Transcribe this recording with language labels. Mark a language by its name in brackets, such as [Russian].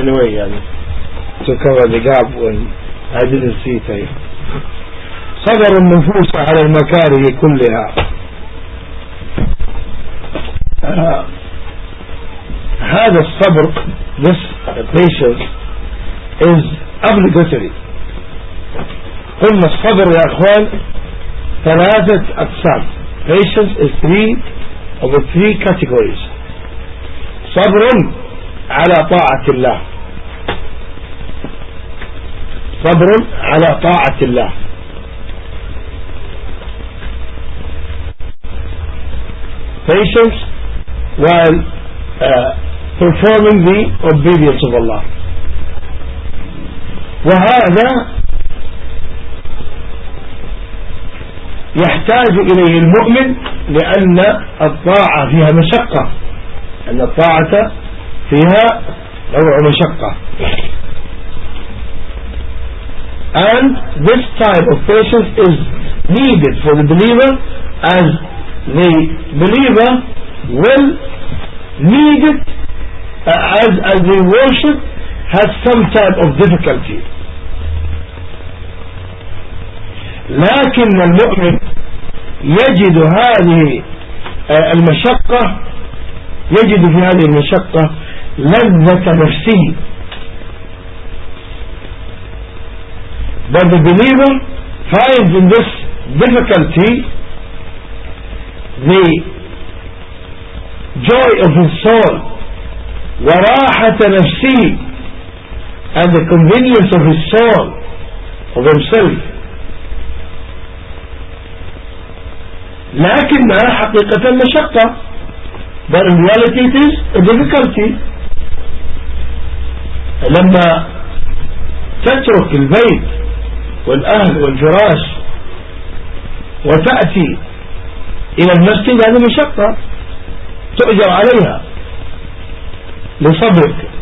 [English] Anyway, يعني to cover the gap when I didn't see Tahim. [Arabic] صبر النفوس على المكاره كلها. هذا الصبر, [English] this patience, is obligatory. [Arabic] قلنا الصبر يا أخوان ثلاثة أقسام. [English] Patience is three of the three categories. [Arabic] صبر على طاعة الله, صبر على طاعة الله, [English] patience while performing the obedience of Allah. [Arabic] وهذا يحتاج إليه المؤمن, لأن الطاعة فيها مشقة, أن الطاعة فيها نوع مشقة. [English] And this type of patience is needed for the believer, as the believer will need it as the worship has some type of difficulty. [Arabic] لكن المؤمن يجد هذه المشقة, يجد في هذه المشقة لذة نفسه. [English] But the believer finds in this difficulty the joy of his soul, [Arabic] وراحة نفسه, [English] and the convenience of his soul, of himself. [Arabic] لكنها حقيقة مشقة. [English] But in reality it is a difficulty. [Arabic] لما تترك البيت والأهل والجراش وتأتي إلى المسجد, هذه مشقة تؤجر عليها لصبرك.